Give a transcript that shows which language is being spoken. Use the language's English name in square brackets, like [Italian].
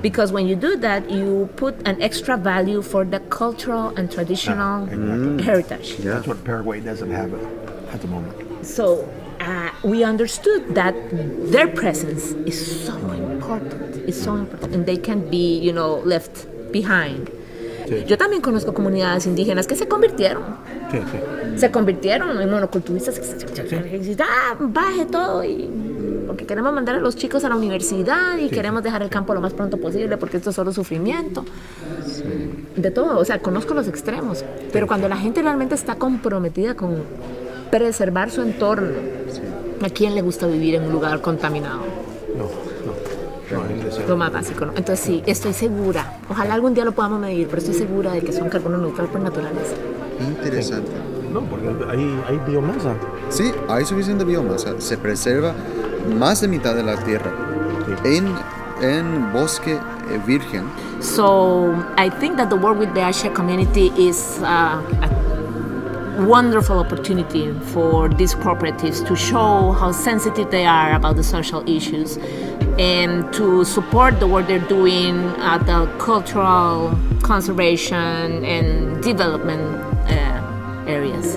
[English] Because when you do that, you put an extra value for the cultural and traditional heritage. Yeah. That's what Paraguay doesn't have at the moment. So we understood that their presence is so important. It's so important. And they can't be, you know, left behind. [Spanish] Sí. Yo también conozco comunidades indígenas que se convirtieron. Sí, sí. Se convirtieron en monoculturistas. Sí. Ah, baje todo. Y, porque queremos mandar a los chicos a la universidad y sí. Queremos dejar el campo lo más pronto posible porque esto es solo sufrimiento. Sí. De todo. O sea, conozco los extremos. Pero sí. Cuando la gente realmente está comprometida con preservar su entorno, sí. ¿A quién le gusta vivir en un lugar contaminado? No, lo más básico, ¿no? Entonces sí, estoy segura. Ojalá algún día lo podamos medir, pero estoy segura de que son carbono neutral por naturaleza. Interesante. Sí. No, porque hay biomasa. Sí, hay suficiente biomasa. Se preserva más de mitad de la tierra en bosque virgen. [English] So I think that the work with the Aché community is a wonderful opportunity for these cooperatives to show how sensitive they are about the social issues. And to support the work they're doing at the cultural conservation and development areas.